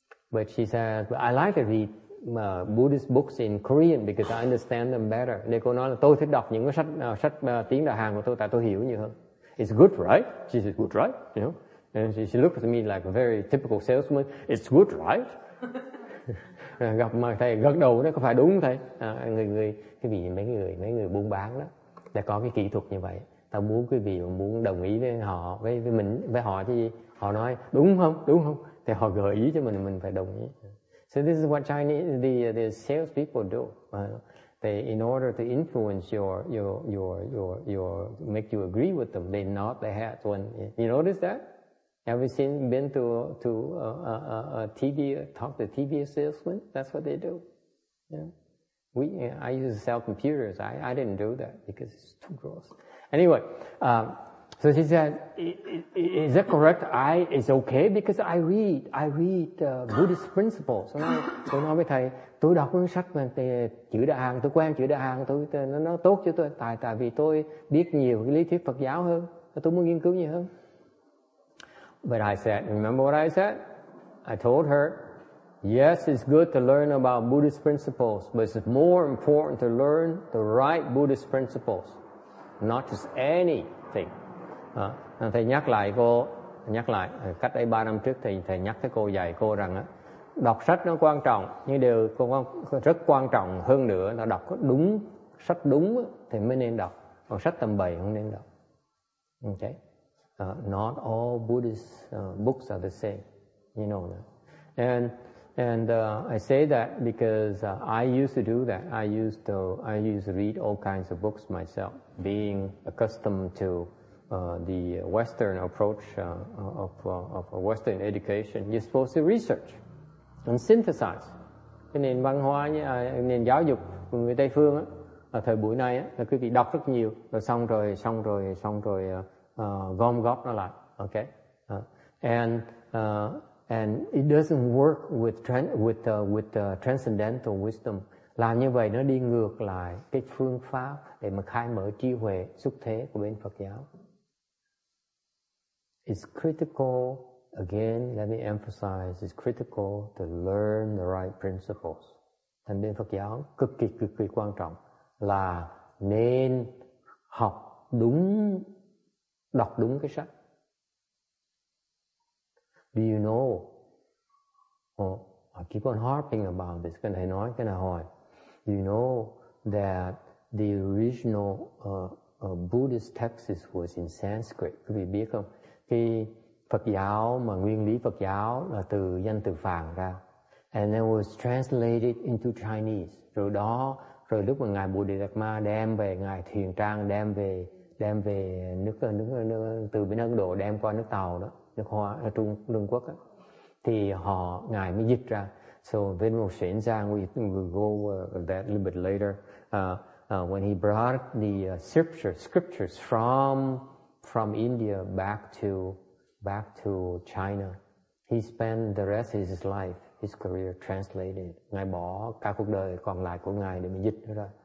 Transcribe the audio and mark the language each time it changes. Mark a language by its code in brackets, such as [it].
[en] But she said, but I like to read Buddhist books in Korean because I understand them better. [vi] Nên cô nói là tôi thích đọc những cái sách tiếng Đại Hàn của tôi tại tôi hiểu nhiều hơn. [en] It's good, right? She said, good, right? You know? And she looked at me like a very typical salesman. It's good, right? [vi] Gặp mà thầy gật đầu đó, có phải đúng thầy? Người cái vị mấy người buôn bán đó đã có cái kỹ thuật như vậy. Tao muốn quý vị muốn đồng ý với họ với mình với họ thì họ nói đúng không? Đúng không? Thì họ gợi ý cho mình phải đồng ý. [en] So this is what Chinese the salespeople do. They in order to influence your make you agree with them, they nod their heads when you notice that. Have you been to a TV talk to TV salesman? That's what they do. Yeah. I used to sell computers. I didn't do that because it's too gross. Anyway, so she said, is that correct? It's okay because I read Buddhist principles. [vi] Tôi nói với thầy, tôi đọc cuốn sách về chữ Đại Hàng, tôi quen chữ Đại Hàng, nó tốt cho tôi. Tại vì tôi biết nhiều cái lý thuyết Phật giáo hơn, tôi muốn nghiên cứu nhiều hơn. [en] But I said, remember what I said? I told her, yes, it's good to learn about Buddhist principles, but it's more important to learn the right Buddhist principles, not just anything. [vi] Thầy nhắc lại cách đây 3 năm trước thầy nhắc cái cô dạy cô rằng á, đọc sách nó quan trọng nhưng điều rất quan trọng hơn nữa là đọc đúng sách đúng thì mới nên đọc, còn sách tầm bậy không nên đọc. [en] Okay, not all Buddhist books are the same, you know that. And I say that because I used to do that. I used to read all kinds of books myself, being accustomed to the Western approach of a Western education. You're supposed to research and synthesize. [vi] Cái nền văn hóa, nền giáo dục của người Tây phương á, ở thời buổi này á, là quý vị đọc rất nhiều, rồi xong rồi gom góp nó lại, okay? [en] And it doesn't work with transcendental wisdom. [vi] Làm như vậy nó đi ngược lại cái phương pháp để mà khai mở trí huệ xuất thế của bên Phật giáo. [en] It's critical. Again, let me emphasize, it's critical to learn the right principles. [vi] Thành viên Phật giáo cực kỳ quan trọng là nên học đúng, đọc đúng cái sách. [en] Do you know? Oh, I keep on harping about this. Can I [vi] nói, [en] can I [vi] hỏi? [en] Do you know that the original Buddhist text was in Sanskrit? [vi] Quý vị biết không? Khi Phật giáo mà nguyên lý Phật giáo là từ danh từ Phạn ra, [en] and it was translated into Chinese. [vi] Rồi lúc mà ngài Bồ Đề Đạt Ma đem về, ngài Thiền Trang đem về nước từ bên Ấn Độ đem qua nước Tàu đó, nước Hoa, Trung Quốc đó, thì họ ngài mới dịch ra. [en] So Venerable Sĩ Giang, we go that little bit later. When he brought the scriptures from India back to China, he spent the rest of his life, his career, translated. [vi] Ngài bỏ cả cuộc đời còn lại của ngài để mình dịch nó ra.